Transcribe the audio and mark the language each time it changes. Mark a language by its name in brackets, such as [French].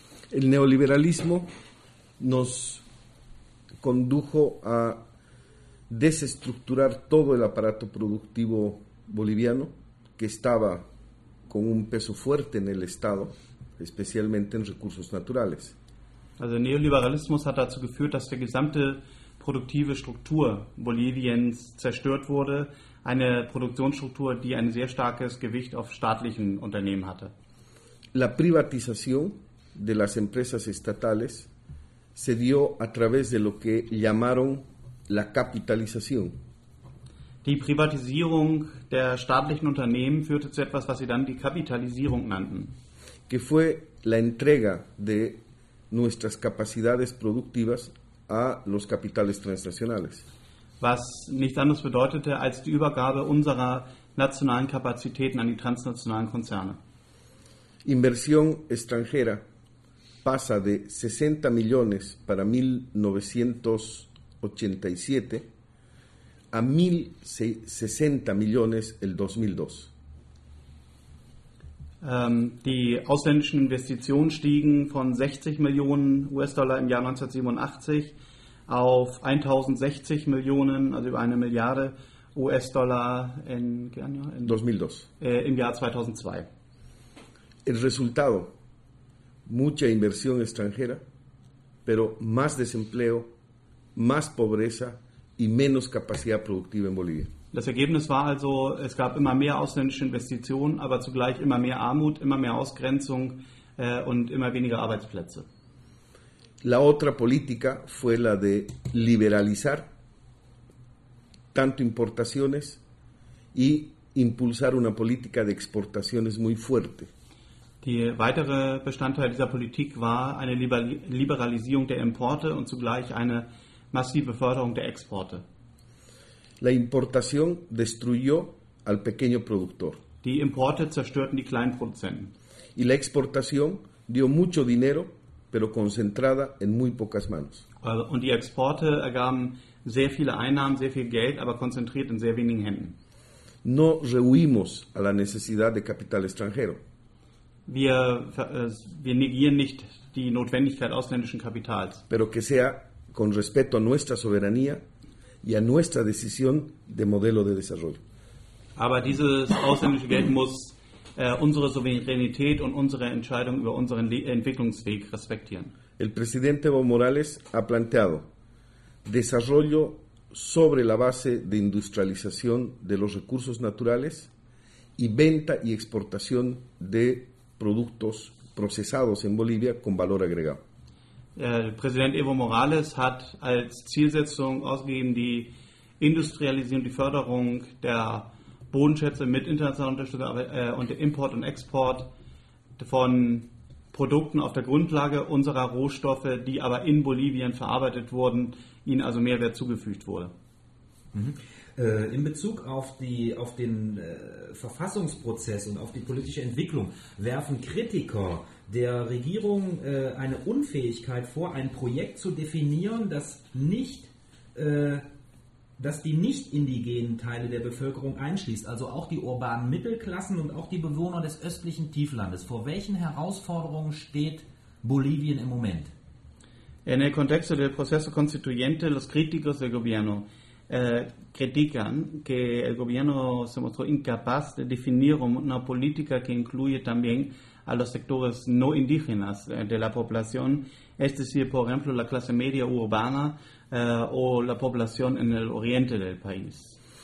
[Spanish] El neoliberalismo nos condujo a desestructurar todo el aparato productivo boliviano, que estaba con un peso fuerte en el Estado, especialmente en recursos naturales. [German] Also [Spanish] el neoliberalismo ha [German] dazu geführt, dass die gesamte produktive Struktur Boliviens zerstört wurde, eine Produktionsstruktur, die ein sehr starkes Gewicht auf staatlichen Unternehmen hatte. [Spanish] La privatización de las empresas estatales se dio a través de lo que llamaron la capitalización. [German] Die Privatisierung der staatlichen Unternehmen führte zu etwas, was sie dann die Kapitalisierung nannten. [Spanish] Que fue la entrega de nuestras capacidades productivas a los capitales transnacionales. [German] Was nichts anderes bedeutete als die Übergabe unserer nationalen Kapazitäten an die transnationalen Konzerne. [Spanish] Inversión extranjera pasa de 60 millones para 1987 a 1.060 millones el 2002. [German] Die ausländischen Investitionen stiegen von 60 Millionen US-Dollar im Jahr 1987 auf 1.060 Millionen, also über eine Milliarde US-Dollar im Jahr 2002. [Spanish] El resultado, mucha inversión extranjera, pero más desempleo, más pobreza y menos capacidad productiva en Bolivia. [German] Das Ergebnis war also, es gab immer mehr ausländische Investitionen, aber zugleich immer mehr Armut, immer mehr Ausgrenzung und immer weniger Arbeitsplätze. [Spanish] La otra política fue la de liberalizar tanto importaciones y impulsar una política de exportaciones muy fuerte. [German] Die weitere Bestandteil dieser Politik war eine Liberalisierung der Importe und zugleich eine massive Förderung der Exporte. [Spanish] La importación destruyó al pequeño productor. [German] Die Importe zerstörten die kleinen Produzenten. [Spanish] Y la exportación dio mucho dinero, pero concentrada en muy pocas manos. [German] Und die Exporte ergaben sehr viele Einnahmen, sehr viel Geld, aber konzentriert in sehr wenigen Händen. [Spanish] No rehuimos a la necesidad de capital extranjero. [German] Wir negieren nicht die Notwendigkeit ausländischen Kapitals. [Spanish] Pero que sea con respeto a nuestra soberanía y a nuestra decisión de modelo de desarrollo. [German] Aber dieses ausländische Geld muss unsere Souveränität und unsere Entscheidung über unseren Entwicklungsweg respektieren. [Spanish] El presidente Evo Morales ha planteado desarrollo sobre la base de industrialización de los recursos naturales y venta y exportación de productos procesados en Bolivia con valor agregado. [German] Präsident Evo Morales hat als Zielsetzung ausgegeben die Industrialisierung, die Förderung der Bodenschätze mit internationaler Unterstützung und der Import und Export von Produkten auf der Grundlage unserer Rohstoffe, die aber in Bolivien verarbeitet wurden, ihnen also Mehrwert zugefügt wurde. In Bezug auf den Verfassungsprozess und auf die politische Entwicklung werfen Kritiker der Regierung eine Unfähigkeit vor, ein Projekt zu definieren, das die nicht indigenen Teile der Bevölkerung einschließt, also auch die urbanen Mittelklassen und auch die Bewohner des östlichen Tieflandes. Vor welchen Herausforderungen steht Bolivien im Moment? [Spanish] En el contexto del proceso constituyente, los críticos del gobierno critican que el gobierno se mostró incapaz de definir una política que incluye también a los sectores no indígenas de la población, es decir, por ejemplo, la clase media urbana o la población en el oriente del país.